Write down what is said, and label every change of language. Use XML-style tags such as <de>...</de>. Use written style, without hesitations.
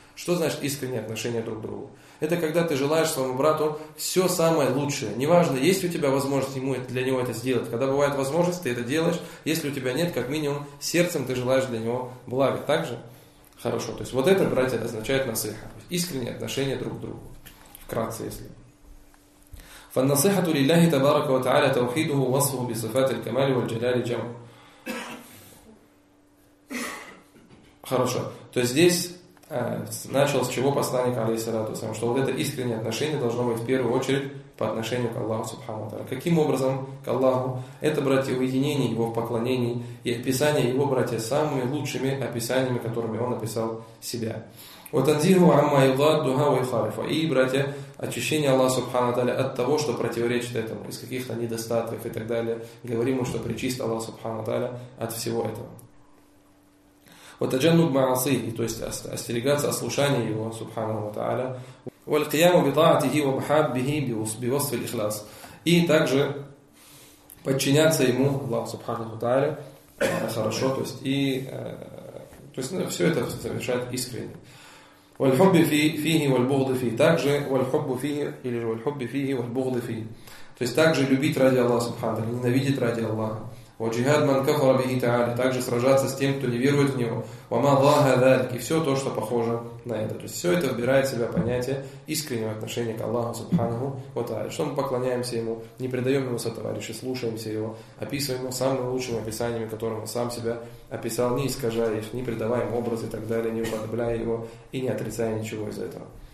<ru>Что значит искренние отношения друг к другу? Это когда ты желаешь своему брату все самое лучшее. Неважно, есть ли у тебя возможность ему для него это сделать. Когда бывает возможность, ты это делаешь. Если у тебя нет, как минимум, сердцем ты желаешь для него блага. Так же? Хорошо. То есть вот это, братья, означает насыха. Искренние отношения друг к другу. Вкратце, если...</ru> <ar>فالنصيحة لله تبارك وتعالى توحيده ووصفه بصفات الكمال والجلال جمع.</ar> <ru>Хорошо. То есть здесь начал с чего посланник алейхиссалату ва салям, что вот это искреннее отношение должно быть в первую очередь по отношению к Аллаху субхану ва тааля. Каким образом к Аллаху? Это, братья, уединение его в поклонении и описание его, братья, самыми лучшими описаниями, которыми он описал себя.</ru> <ar>وَتَنْزِيهُ عَمَّا يُضَادُّهَا وَيُخَالِفُهَا.</ar> <ru>И, братья, очищение Аллаха Субхану Тааля от того, что противоречит этому, из каких-то недостатков и так далее. Говорим ему, что причист Аллах Субхану Тааля от всего этого.</ru> <ar>وَتَجَنُّبْ مَعَصِيهِ.</ar> <ru>То есть остерегаться ослушания его Субхану Тааля.</ru> <ar>وَالْقِيَامُ بِطَاعَتِهِ وَمَحَبِّهِ بِوَصْفِ الْإِخْلَاسِ.</ar> <ru>И также подчиняться ему Аллаху Субхану Тааля хорошо. То есть, ну, все это совершает искренне.</ru> <ar>وَالْحُبِّ فِيهِ وَالْبُغْضِ فِيهِ.</ar> <ru>Также</ru> <ar>وَالْحُبُّ فِيهِ</ar> <ru>или же</ru> <ar>وَالْحُبِّ فِيهِ وَالْبُغْضِ فِيهِ.</ar> <ru>То есть также любить ради Аллаха Субхану Тааля, ненавидеть ради Аллаха.</ru> <ar>وَجِهَادْ مَنْ كَفَرَ بِهِ تَعَالَى.</ar> <ru>Также сражаться с тем, кто не верует в Него.</ru> <ar>وَمَا ضَاهَ ذَلِكَ.</ar> <ru>И все то, что похоже на это. То есть все это вбирает в себя понятие искреннего отношения к Аллаху Субхану Тааля. Что мы поклоняемся Ему, не предаем Ему сотоварища, слушаемся Его, описываем Его самыми лучшими описаниями, которым Он сам себя описал, не искажая их, не придавая Ему образ и так далее, не уподобляя Его и не отрицая ничего из этого.</ru>